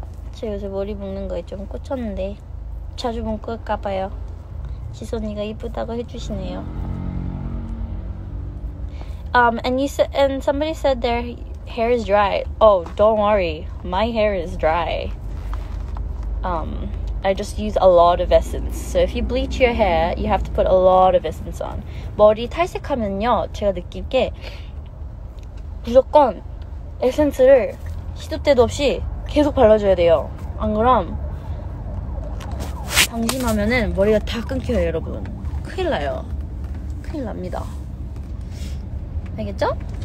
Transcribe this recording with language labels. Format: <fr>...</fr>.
<ko>사실 요새 머리 묶는 거에 좀 꽂혔는데 자주 묶을까 봐요. 지수 언니가 이쁘다고 해주시네요.</ko> <en>And you said, and somebody said their hair is dry. Oh, don't worry, my hair is dry. I just use a lot of essence. So if you bleach your hair, you have to put a lot of essence on.</en> <ko>머리 탈색하면요, 제가 느낀 게 무조건 에센스를 시도 때도 없이 계속 발라줘야 돼요. 안 그럼 방심하면은 머리가 다 끊겨요, 여러분. 큰일 나요. 큰일 납니다. 알겠죠?</ko>